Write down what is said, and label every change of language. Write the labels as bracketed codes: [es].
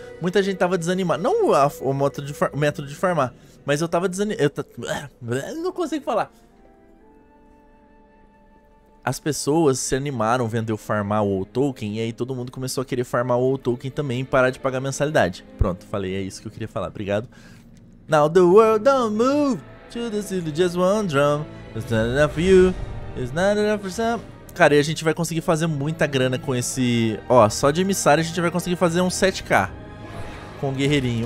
[pt] Muita gente tava desanimada. Não o método de farmar, mas eu tava desanimada. Não consigo falar. As pessoas se animaram vendo eu farmar o WoW Token, e aí todo mundo começou a querer farmar o WoW Token também e parar de pagar mensalidade. Pronto, falei, é isso que eu queria falar, obrigado. [en] Now the world don't move to the city, just one drum. It's not enough for you, it's not enough for some. [pt] Cara, e a gente vai conseguir fazer muita grana com esse... Ó, só de emissário a gente vai conseguir fazer um 7k com o guerreirinho.